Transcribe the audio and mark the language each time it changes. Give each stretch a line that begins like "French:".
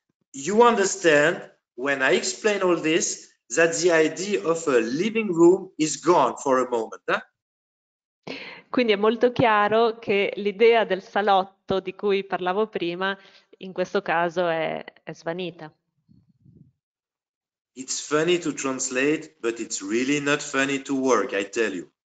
English: You understand when I explain all this that the idea of a living room is gone for a moment. Eh?
Italian: Quindi è molto chiaro che l'idea del salotto di cui parlavo prima in questo caso è svanita.
English: It's funny to translate, but it's really not funny to work, I tell you.